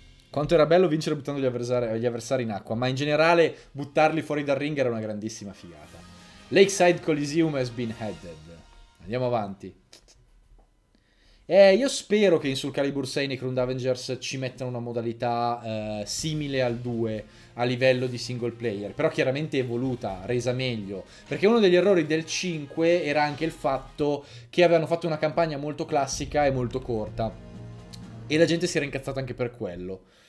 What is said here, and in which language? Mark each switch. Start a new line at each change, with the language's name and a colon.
Italian: Quanto era bello vincere buttando gli avversari in acqua, ma in generale buttarli fuori dal ring era una grandissima figata.
English: Lakeside Coliseum has been headed.
Italian: Andiamo avanti. Io spero che in Soul Calibur 6 Necron Avengers ci mettano una modalità simile al 2 a livello di single player, però chiaramente evoluta, resa meglio, perché uno degli errori del 5 era anche il fatto che avevano fatto una campagna molto classica e molto corta, e la gente si era incazzata anche per quello.